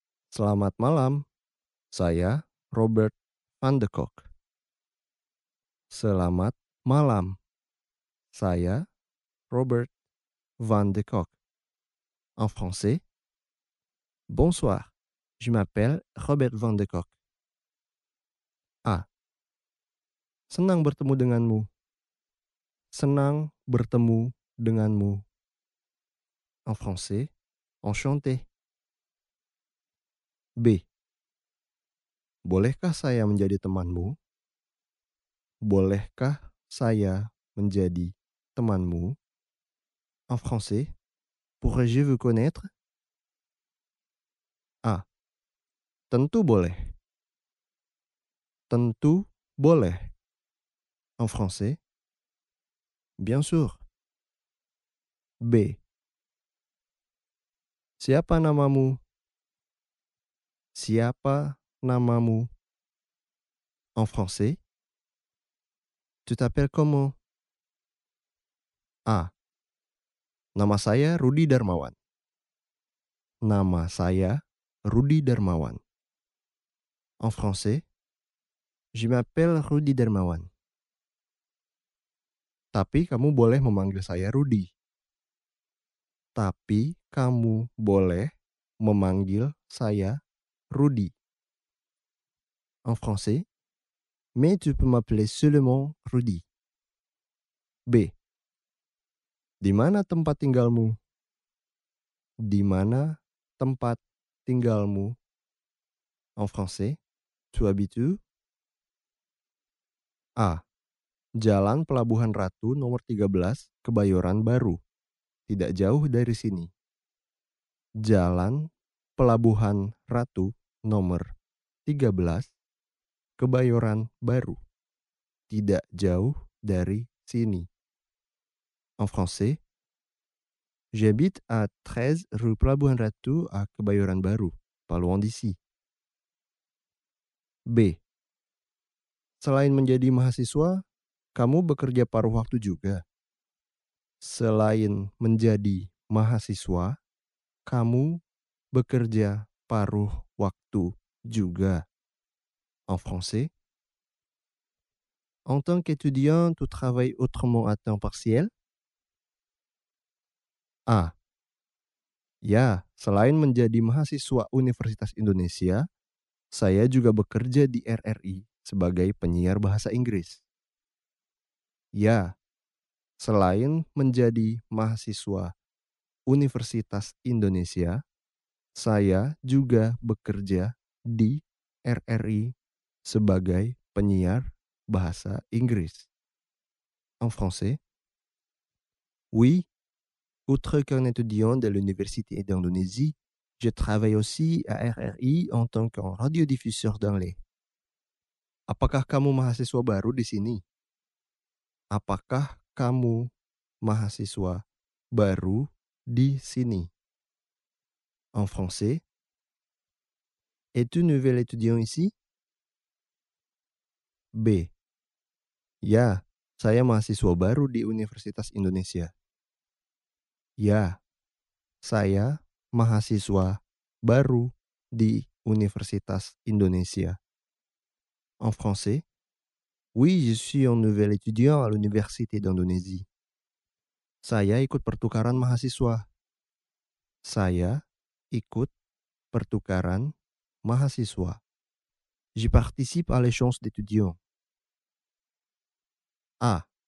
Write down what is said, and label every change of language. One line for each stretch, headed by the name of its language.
Indonesian: Selamat malam, saya Robert Van de Kok. Selamat malam, saya Robert Van de Kok.
French: En français, bonsoir, je m'appelle Robert Van de Kok. A.
Indonesian: Senang bertemu denganmu. Senang bertemu denganmu.
French: En français, enchanté.
Indonesian: B. Bolehkah saya menjadi temanmu? Bolehkah saya menjadi temanmu?
French: En français, pourrais-je vous connaître?
Indonesian: A. Tentu boleh. Tentu boleh.
French: En français, bien sûr. B.
Indonesian: Siapa namamu? Siapa namamu?
French: En français, tu t'appelles comment? A.
Indonesian: Nama saya Rudy Darmawan. Nama saya Rudy Darmawan.
French: En français, je m'appelle Rudy Darmawan.
Indonesian: Tapi kamu boleh memanggil saya Rudy. Tapi kamu boleh memanggil saya Rudy.
French: En français, mais tu peux m'appeler seulement Rudy. B.
Indonesian: Di mana tempat tinggalmu? Di mana tempat tinggalmu?
French: En français, tu habites où?
Indonesian: A. Jalan Pelabuhan Ratu nomor 13, Kebayoran Baru. Tidak jauh dari sini. Jalan Pelabuhan Ratu nomor 13, Kebayoran Baru. Tidak jauh dari sini.
French: En français, j'habite à 13 rue Pelabuhan Ratu à Kebayoran Baru, pas loin d'ici. B.
Indonesian: Selain menjadi mahasiswa, kamu bekerja paruh waktu juga. Selain menjadi mahasiswa, kamu bekerja paruh waktu juga.
French: En français, en tant qu'étudiant, tu travailles autrement à temps partiel? A.
Indonesian: Ya, selain menjadi mahasiswa Universitas Indonesia, saya juga bekerja di RRI sebagai penyiar bahasa Inggris. Ya, selain menjadi mahasiswa Universitas Indonesia, saya juga bekerja di RRI sebagai penyiar bahasa Inggris.
French: En français, oui, outre qu'un étudiant de l'Université d'Indonésie, je travaille aussi à RRI en tant qu'un radiodiffuseur d'anglais.
Indonesian: Apakah kamu mahasiswa baru di sini? Apakah kamu mahasiswa baru di sini?
French: En français, es-tu nouvel étudiant ici? B.
Indonesian: Ya, saya mahasiswa baru di Universitas Indonesia. Ya, saya mahasiswa baru di Universitas Indonesia.
French: En français, oui, je suis un nouvel étudiant à l'Université d'Indonésie.
Indonesian: Saya ikut pertukaran mahasiswa. Saya ikut pertukaran mahasiswa.
French: Je participe à l'échange d'étudiants. A.